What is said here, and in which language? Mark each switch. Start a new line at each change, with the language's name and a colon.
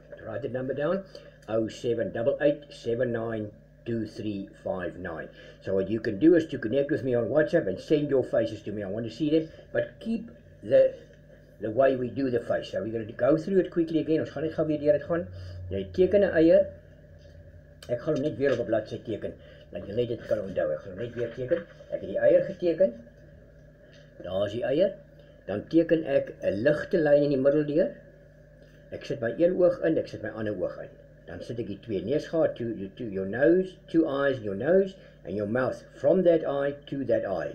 English: Write the number down, 0788 792359. So what you can do is to connect with me on WhatsApp and send your faces to me. I want to see them, but keep the way we do the face. So we're going to go through it quickly again.
Afrikaans: Ons gaan net gou weer deur dit gaan. Jy teken 'n eier. Ek gaan hom net weer op 'n bladsy teken. Dat jy net dit kan onthou. Ek gaan hom net weer teken. Ek het die eier geteken. Daar is die eier. Dan teken ek 'n ligte lyn in die middel deur. Ek sit my een oog in, ek sit my ander oog uit. Dan sit ek die twee neusgate,
English: your nose, two eyes, your nose and your mouth from that eye to that eye.